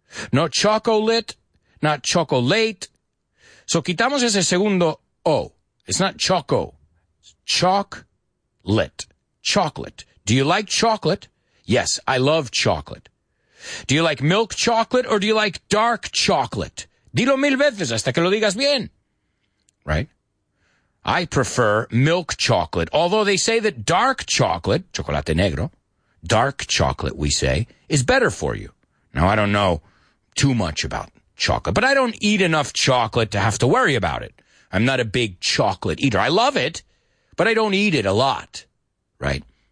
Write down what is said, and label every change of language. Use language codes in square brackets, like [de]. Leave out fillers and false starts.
[en] Not chocolate, not chocolate. So [es] quitamos ese segundo O. [en] It's not choco. It's chocolate. Chocolate. Do you like chocolate? Yes, I love chocolate. Do you like milk chocolate or do you like dark chocolate? [es] Dilo mil veces hasta que lo digas bien. [en] Right? I prefer milk chocolate. Although they say that dark chocolate, [es] chocolate negro, [en] dark chocolate, we say, is better for you. Now, I don't know too much about chocolate, but I don't eat enough chocolate to have to worry about it. I'm not a big chocolate eater. I love it, but I don't eat it a lot, right?